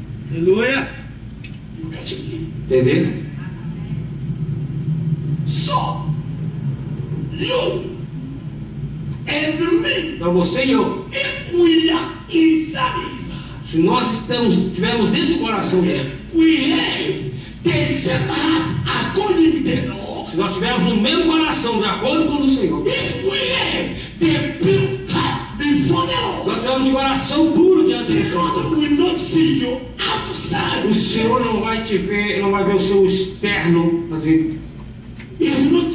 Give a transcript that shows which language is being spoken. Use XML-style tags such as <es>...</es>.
<pt>Aleluia. Entendeu?</pt> <en>So, you and me.</en> <pt>Então você e eu.</pt> <en>If we are inside his heart.</en> <pt>Se nós estamos, tivermos dentro do coração dele.</pt> <en>If we have the same heart according to the Lord.</en> <pt>Se nós tivermos o mesmo coração de acordo com o Senhor.</pt> <en>If we have the pure heart before the Lord.</en> <pt>Nós tivermos o coração puro diante de Deus.</pt> <en>The Lord will not see you outside.</en> <pt>O Senhor não vai te ver, não vai ver o seu externo, mas ele.</pt> <en>He has not</en>